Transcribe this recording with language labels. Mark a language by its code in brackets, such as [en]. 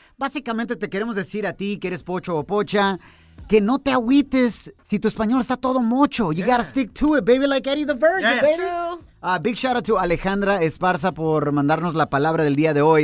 [es] Básicamente te queremos decir a ti, que eres pocho o pocha, que no te agüites si tu español está todo mocho. [en] You gotta stick to it, baby, like Eddie the Virgin, yes. Baby. Big shout out to Alejandra Esparza [es] por mandarnos la palabra del día de hoy.